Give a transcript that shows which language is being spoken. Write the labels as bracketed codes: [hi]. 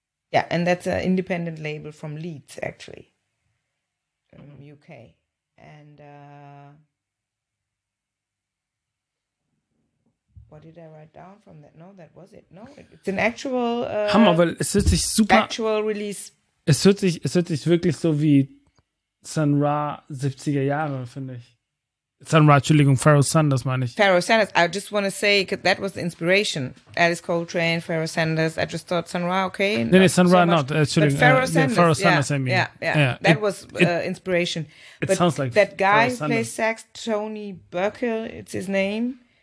[en] Yeah, and that's an independent label from Leeds, actually, UK. And... what did I write down from that? No, that was it. No, it's an actual... [de] Hammer, weil es hört sich super... [en] Actual release. [de] Es hört sich wirklich so wie Sun Ra 70er Jahre, finde ich. Sun Ra, Entschuldigung, Pharoah Sanders meine ich. Pharoah Sanders. [en] I just want to say, cause that was the inspiration. Alice Coltrane, Pharoah Sanders. I just thought Sun Ra, okay. [de] Nee, Sun Ra so not. Entschuldigung. Pharoah Sanders. [en] Pharoah Sanders, yeah, I mean. Yeah. That was inspiration. It sounds like that guy who plays sax, Tony Burkill, it's his name.